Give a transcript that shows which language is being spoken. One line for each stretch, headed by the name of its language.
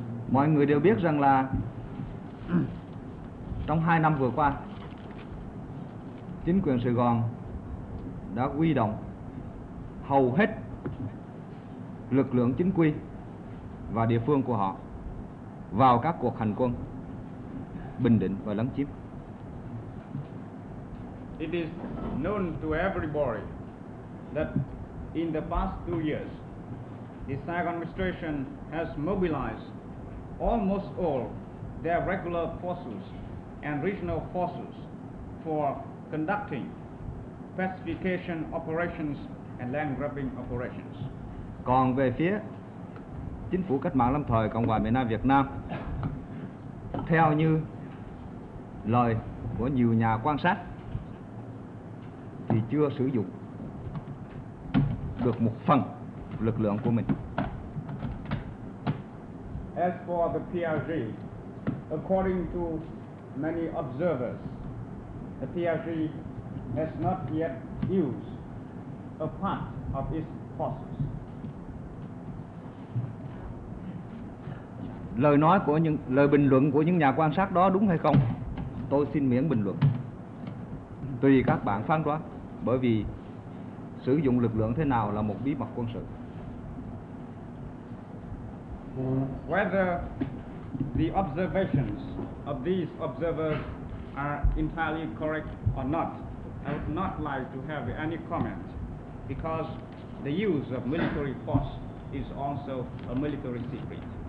Vietnamese: Mọi người đều biết rằng là trong 2 năm vừa qua, chính quyền Sài Gòn đã huy động hầu hết lực lượng chính quy và địa phương của họ vào các cuộc hành quân bình định và lấn chiếm.
English: It is known to everybody that in the past 2 years, the Saigon administration has mobilized almost all their regular forces and regional forces for conducting pacification operations and land grabbing operations.
Vietnamese: Còn về phía chính phủ cách mạng lâm thời Cộng hòa miền Nam Việt Nam, theo như lời của nhiều nhà quan sát, thì chưa sử dụng được một phần lực lượng của mình.
English: As for the PRG, according to many observers, the PRG has not yet used a part of its forces.
Vietnamese: Lời nói của những lời bình luận của những nhà quan sát đó đúng hay không, tôi xin miễn bình luận, tùy các bạn phán đoán, bởi vì sử dụng lực lượng thế nào là một bí mật quân sự.
English: Whether the observations of these observers are entirely correct or not, I would not like to have any comment, because the use of military force is also a military secret.